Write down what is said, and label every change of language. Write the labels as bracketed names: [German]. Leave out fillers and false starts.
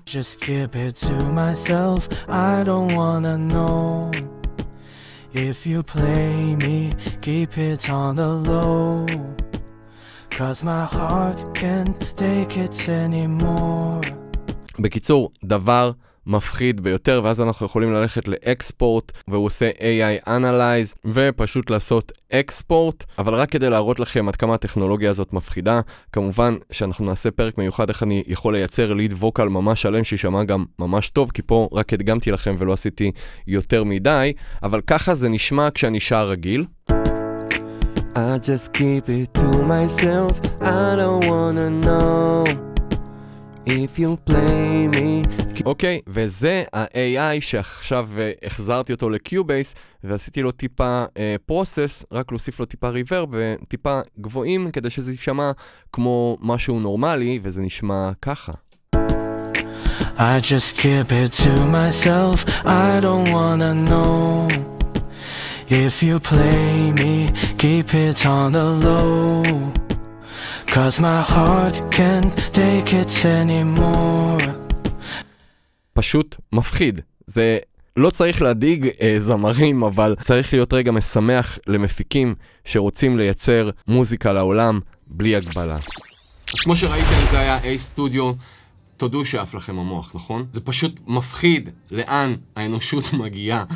[English] Just keep it to myself, I don't wanna know. If you play me, keep it on the low. Cause my heart can't take it anymore. [Hebrew] בקיצור, דבר מפחיד ביותר, ואז אנחנו יכולים ללכת לאקספורט, והוא עושה AI Analyze, ופשוט לעשות אקספורט. אבל רק כדי להראות לכם עד כמה הטכנולוגיה הזאת מפחידה, כמובן שאנחנו נעשה פרק מיוחד איך אני יכול לייצר ליד ווקל ממש שלם, שישמע גם ממש טוב, כי פה רק הדגמתי לכם ולא עשיתי יותר מדי, אבל ככה זה נשמע כשאני שר רגיל. [English] I just keep it to myself, I don't wanna know. If you play me. [Hebrew] אוקיי, וזה ה-AI שעכשיו החזרתי אותו לקיובייס ועשיתי לו טיפה פרוסס, רק להוסיף לו טיפה ריבר וטיפה גבוהים כדי שזה יישמע כמו משהו נורמלי, וזה נשמע ככה. [English] I just keep it to myself, I don't wanna know. If you play me, keep it on the low. Cause my heart can't take it anymore. [Hebrew] פשוט מפחיד. זה לא צריך להדאיג זמרים, אבל צריך להיות רגע משמח למפיקים שרוצים לייצר מוזיקה לעולם בלי הגבלה. כמו שראיתם, זה היה A Studio. תודו שאף לכם המוח, נכון? זה פשוט מפחיד לאן האנושות מגיעה.